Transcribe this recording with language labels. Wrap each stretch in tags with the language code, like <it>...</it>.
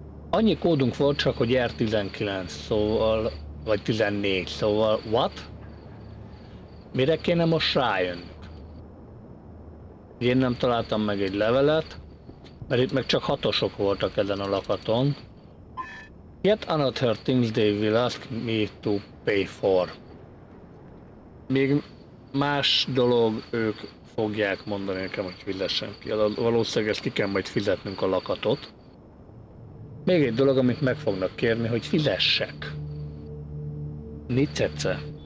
<hu>Annyi kódunk volt csak, hogy R19, szóval, vagy 14, szóval what? Mire kéne most rájönnünk? Én nem találtam meg egy levelet, mert itt meg csak hatosok voltak ezen a lakaton.</hu> <en>Yet another things they will ask me to pay for.</en> <hu>Még más dolog ők fogják mondani nekem, hogy fizessen ki. Valószínűleg ezt ki kell majd fizetnünk a lakatot. Még egy dolog, amit meg fognak kérni, hogy fizessek. Nicece.</hu>